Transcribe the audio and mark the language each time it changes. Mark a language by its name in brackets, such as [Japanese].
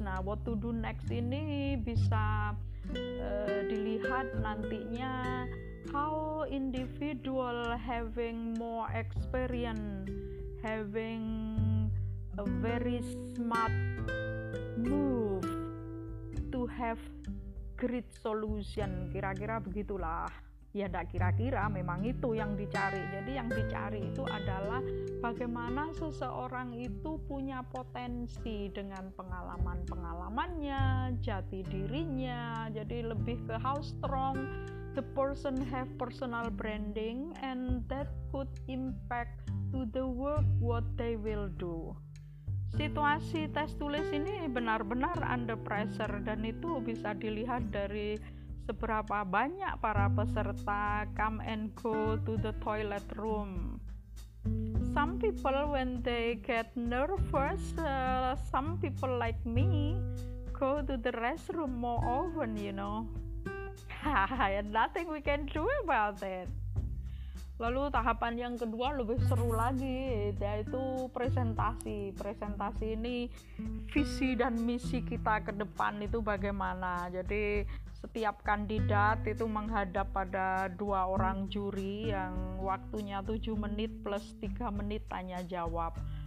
[Indonesian] Nah, [English] what to do next [Indonesian] ini bisa dilihat nantinya [English] how individual having more experience, having a very smart move to have great solution, [Indonesian] kira-kira begitulah. Ya enggak kira-kira, memang itu yang dicari. Jadi yang dicari itu adalah bagaimana seseorang itu punya potensi dengan pengalaman-pengalamannya, jati dirinya. Jadi lebih ke [English] how strong the person have personal branding and that could impact to the work what they will do. [Indonesian] Situasi tes tulis ini benar-benar [English] under pressure [Indonesian] dan itu bisa dilihat dari seberapa banyak para peserta [English] come and go to the toilet room. Some people when they get nervous, some people like me go to the restroom more often, you know. And nothing we can do about that. [Indonesian] Lalu tahapan yang kedua lebih seru lagi, yaitu presentasi. Presentasi ini visi dan misi kita ke depan itu bagaimana. Jadi setiap kandidat itu menghadap pada 2 orang juri yang waktunya 7 menit plus 3 menit tanya jawab.